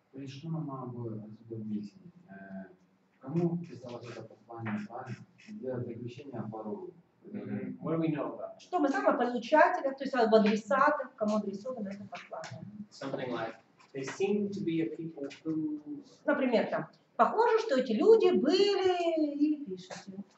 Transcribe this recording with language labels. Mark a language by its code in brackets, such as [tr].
[ru] И что нам надо было объяснить? Кому писалось это послание, да? Для заключения пароли? [en] Mm-hmm. What do we know about? [ru] Что мы знаем о получателях, то есть об адресатах, кому адресовано это послание? [en] Something like they seem to be a people who. [ru] Например, там похоже, что эти люди были и пишите.